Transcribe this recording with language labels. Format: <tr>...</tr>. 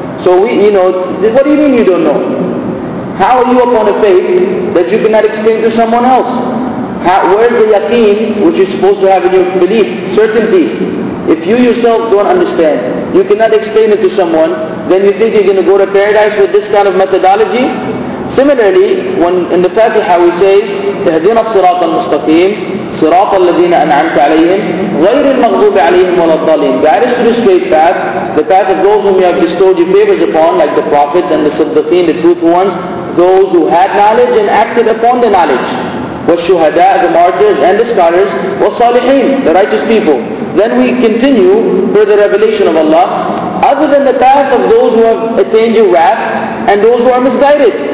<en>So we, you know, what do you mean you don't know? How are you upon a faith that you cannot explain to someone else? Where is the yaqeen which you're supposed to have in your belief? Certainty. If you yourself don't understand, you cannot explain it to someone, then you think you're going to go to paradise with this kind of methodology? Similarly, when in the Fatiha we say,</en> <ar>تَهْدِنَا الصِّرَاطَ الْمُسْتَقِيمِ صِرَاطَ الَّذِينَ أَنْعَمْتَ عَلَيْهِمْ غَيْرِ الْمَغْضُوبِ عَلَيْهِمْ وَلَا الضَّالِينَ.</ar> <en>That is the straight path, the path of those whom you have bestowed your favors upon, like the prophets and the siddiqeen, the truthful ones, those who had knowledge and acted upon the knowledge.</en> <ar>وَالشُّهَدَاء,</ar> <en>the martyrs and the scholars,</en> <ar>وَالصَّالِحِينَ,</ar> <en>the righteous people. Then we continue for the revelation of Allah, other than the path of those who have attained your wrath and those who are misguided.</en>